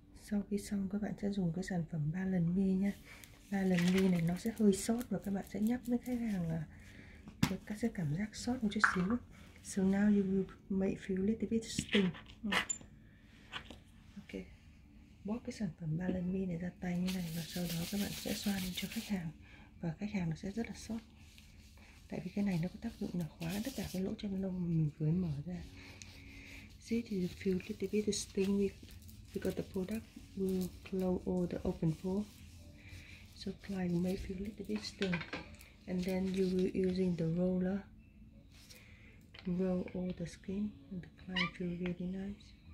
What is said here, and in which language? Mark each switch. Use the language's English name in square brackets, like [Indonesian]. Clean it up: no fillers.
[Vietnamese] Sau khi xong các bạn sẽ dùng cái sản phẩm 3 lần mi nhé. 3 lần mi này nó sẽ hơi sót và các bạn sẽ nhắc với khách hàng là các sẽ cảm giác sót một chút xíu. [English] So now you will may feel a little bit sting. Ok. [Vietnamese] Bóp cái sản phẩm 3 lần mi này ra tay như này và sau đó các bạn sẽ xoa lên cho khách hàng và khách hàng sẽ rất là sót. Tại vì cái này nó có tác dụng là khóa tất cả cái lỗ chân lông mà mình vừa mở ra. [English] See, it feels a little bit sting because the product will close all the open pore. So client may feel a little bit sting. And then you will using the roller roll all the skin and the client feel really nice.